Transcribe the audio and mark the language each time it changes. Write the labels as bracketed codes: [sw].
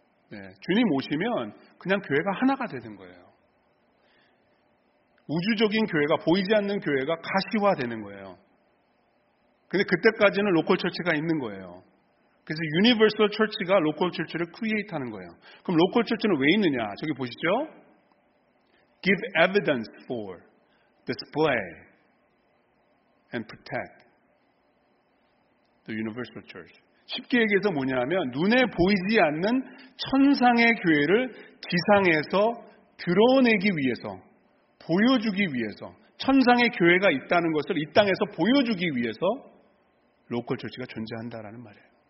[ko] 네, 주님 오시면 그냥 교회가 하나가 되는 거예요. 우주적인 교회가, 보이지 않는 교회가 가시화되는 거예요. 근데 그때까지는 로컬 철치가 있는 거예요. 그래서 유니버설 철치가 로컬 철치를 크리에이트하는 거예요. 그럼 로컬 철치는 왜 있느냐? 저기 보시죠. [en] Give evidence for, display, and protect the universal church. [ko] 쉽게 얘기해서 뭐냐 하면 눈에 보이지 않는 천상의 교회를 지상에서 드러내기 위해서, 보여주기 위해서, 천상의 교회가 있다는 것을 이 땅에서 보여주기 위해서 로컬 철치가 존재한다라는 말이에요.